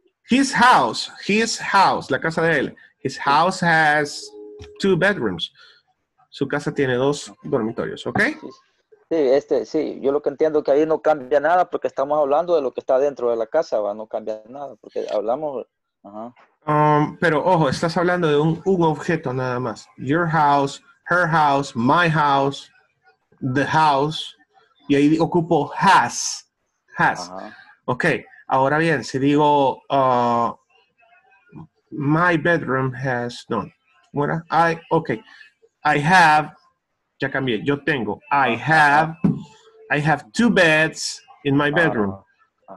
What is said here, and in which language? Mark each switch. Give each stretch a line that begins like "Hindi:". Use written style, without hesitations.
English: His house,
Spanish: la casa de él,
English: his house has two bedrooms,
Spanish: su casa tiene dos dormitorios, ¿ok? Sí, sí, yo lo que entiendo es que ahí no cambia nada porque estamos hablando de lo que está dentro de la casa, ¿va? No cambia nada porque hablamos, Pero ojo, estás hablando de un objeto nada más.
English: Your house, her house, my house, the house.
Spanish: Y ahí ocupo has. Uh-huh. Ok, ahora bien, si digo
English: my bedroom has,
Spanish: no, ¿muera?
English: I have,
Spanish: ya cambié, yo tengo.
English: I have two beds in my bedroom. Uh-huh.